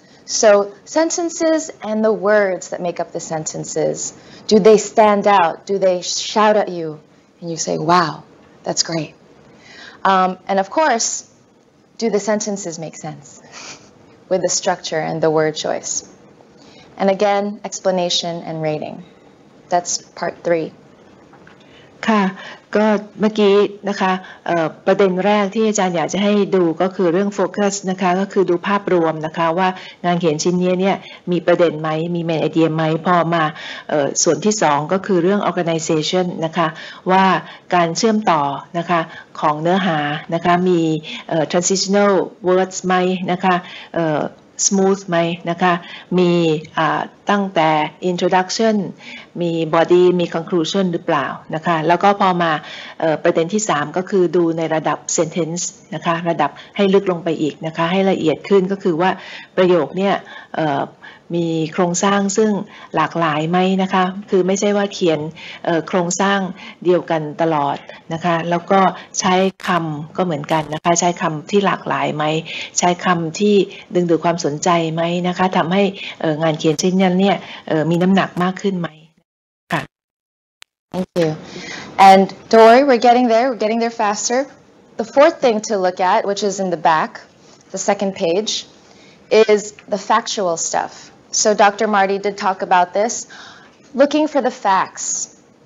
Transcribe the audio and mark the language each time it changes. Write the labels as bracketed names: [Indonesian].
[English] So sentences and the words that make up the sentences, do they stand out? Do they shout at you and you say, wow, that's great? And of course, do the sentences make sense with the structure and the word choice? And again, explanation and rating. That's part three. [Thai] ค่ะก็เมื่อกี้นะคะประเด็นแรกที่อาจารย์อยากจะให้ดูก็คือเรื่องโฟกัสนะคะก็คือดูภาพรวมนะคะว่างานเขียนชิ้นนี้เนี่ยมีประเด็นไหมมีเมนไอเดียไหมพอมาส่วนที่สองก็คือเรื่อง organization นะคะว่าการเชื่อมต่อนะคะของเนื้อหานะคะมี transitional words ไหมนะคะ smooth ไหมนะคะมีตั้งแต่ introduction มี body มี conclusion หรือเปล่านะคะแล้วก็พอมาประเด็นที่3ก็คือดูในระดับ sentence นะคะระดับให้ลึกลงไปอีกนะคะให้ละเอียดขึ้นก็คือว่าประโยคเนี่ย มีโครงสร้างซึ่งหลากหลายไหมนะคะคือไม่ใช่ว่าเขียนโครงสร้างเดียวกันตลอดนะคะแล้วก็ใช้คำก็เหมือนกันนะคะใช้คำที่หลากหลายไหมใช้คำที่ดึงดูดความสนใจไหมนะคะทำให้งานเขียนชิ้นนั้นเนี่ยมีน้ำหนักมากขึ้นไหมค่ะ [English] Thank you and Dory we're getting there faster the fourth thing to look at which is in the back the second page is the factual stuff. So Dr. Marty did talk about this. Looking for the facts.